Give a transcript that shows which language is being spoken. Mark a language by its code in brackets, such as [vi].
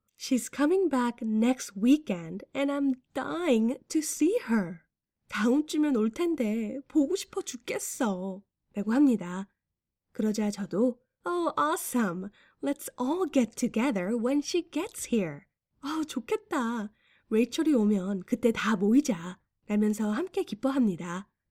[en] She's coming back next weekend and I'm dying to see her. [ko] 다음 주면 올 텐데 보고 싶어 죽겠어. 라고 합니다. 그러자 저도 [en] Oh, awesome. Let's all get together when she gets here. [ko] 좋겠다. 레이첼이 오면 그때 다 모이자. 라면서 함께 기뻐합니다.